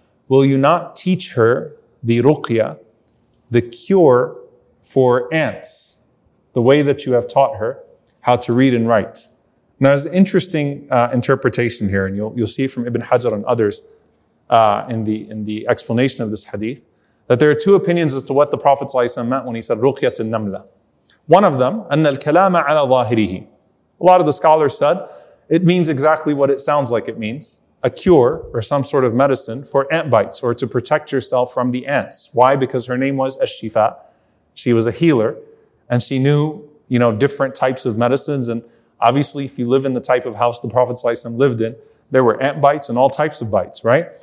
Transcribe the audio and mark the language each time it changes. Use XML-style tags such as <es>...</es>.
<en>Will you not teach her the ruqya, the cure for ants, the way that you have taught her how to read and write? Now, there's an interesting interpretation here, and you'll see from Ibn Hajar and others in the explanation of this hadith, that there are two opinions as to what the Prophet ﷺ meant when he said ruqyat al-namla. One of them,</en> <ar>أَنَّ الْكَلَامَ عَلَى ظَاهِرِهِ.</ar> <en>A lot of the scholars said, it means exactly what it sounds like it means, a cure or some sort of medicine for ant bites or to protect yourself from the ants. Why? Because her name was Ash-Shifa. She was a healer, and she knew, different types of medicines. And obviously, if you live in the type of house the Prophet ﷺ lived in, there were ant bites and all types of bites, right?</en>